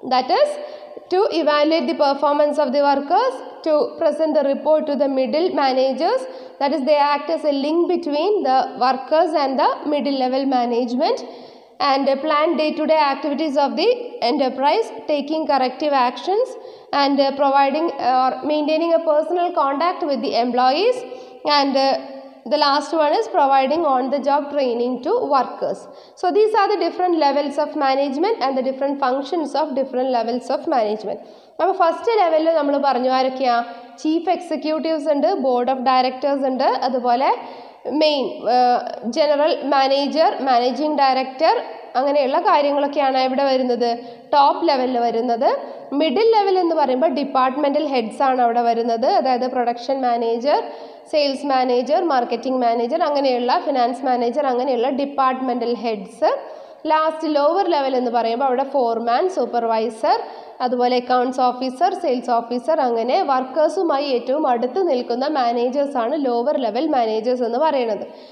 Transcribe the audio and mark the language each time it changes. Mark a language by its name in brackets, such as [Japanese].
[English] That is to evaluate the performance of the workers, to present the report to the middle managers, that is the act as a link between the workers and the middle level management, and plan day to day activities of the enterprise, taking corrective actions and providing or maintaining a personal contact with the employees, and the last one is providing on the job training to workers. So these are the different levels of management and the different functions of different levels of management. [Malayalam] Now first level la nammal parnju arakya chief executives undu, board of directors undu, adu pole main general manager, managing director, അങ്ങനെയുള്ള കാര്യങ്ങളൊക്കെയാണ് ഇവിടെ വരുന്നത്, top ലെവലിൽ വരുന്നത്. Middle level എന്ന് പറയുമ്പോൾ departmental heads ആണ് അവിടെ വരുന്നത്, അതായത് production manager, sales manager, marketing manager, അങ്ങനെയുള്ള ഫിനാൻസ് മാനേജർ, അങ്ങനെയുള്ള departmental heads. Last lower level എന്ന് പറയുമ്പോൾ അവിടെ ഫോർമാൻ, സൂപ്പർവൈസർ, അതുപോലെ അക്കൗണ്ട്സ് ഓഫീസർ, സെയിൽസ് ഓഫീസർ, അങ്ങനെ വർക്കേഴ്സുമായി ഏറ്റവും അടുത്ത് നിൽക്കുന്ന മാനേജേഴ്സാണ് ലോവർ ലെവൽ മാനേജേഴ്സ് എന്ന് പറയുന്നത്.